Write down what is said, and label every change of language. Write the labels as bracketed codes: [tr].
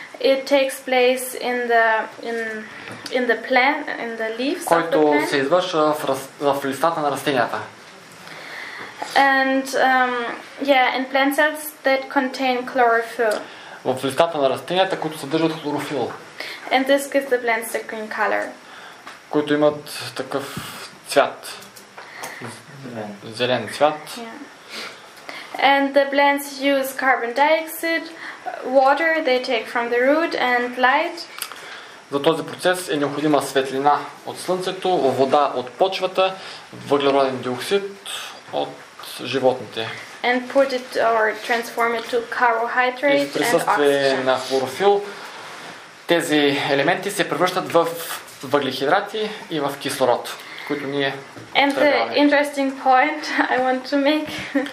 [en] It takes place in the in the plant, in the leaves. [bg] Който се извършва в листата на растенията. [en] And in plant cells that contain chlorophyll. [bg] В листата на растенията, които съдържат хлорофил. [en] And this gives the plants a green color. [bg] Които имат такъв цвят. Зелен цвят. [en] Yeah. And the plants use carbon dioxide, water they take from the root and light. [bg] За този процес е необходима светлина от слънцето, вода от почвата, въглероден диоксид от животните. [en] And put it or transform it to carbohydrate and oxygen. [bg] И в присъствие на хлорофил тези елементи се превръщат в въглехидрати и в кислород, които ние потребяваме. [en] And the interesting point I want to make.